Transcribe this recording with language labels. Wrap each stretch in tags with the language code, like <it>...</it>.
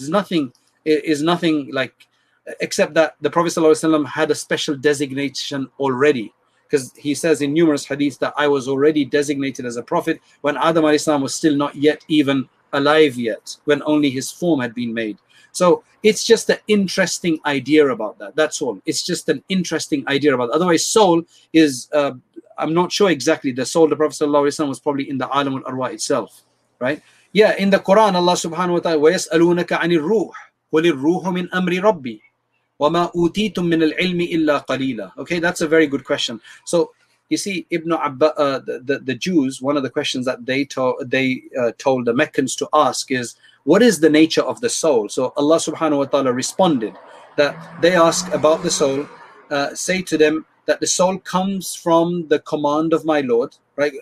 <en>It is nothing like, except that the Prophet ﷺ had a special designation already, because he says in numerous hadith that I was already designated as a prophet when Adam alayhi salam was still not yet even alive yet, when only his form had been made. So it's just an interesting idea about that. That's all. It's just an interesting idea about that. Otherwise, soul is, I'm not sure exactly, the soul of the Prophet ﷺ was probably in the alam al-arwa itself, right? Yeah, in the Quran,</en> <ar>Allah subhanahu wa ta'ala, وَيَسْأَلُونَكَ عَنِ الرُّوحِ قُلِ الرُّوحُ مِنْ أَمْرِ رَبِّي وَمَا أُوتِيتُم مِّنَ الْعِلْمِ إِلَّا قَلِيلًا.</ar> <en>Okay, that's a very good question. So, you see, Ibn Abbas, the Jews, one of the questions that they told the Meccans to ask is, what is the nature of the soul? So Allah subhanahu wa ta'ala responded that they ask about the soul, say to them that the soul comes from the command of my Lord, right?</en>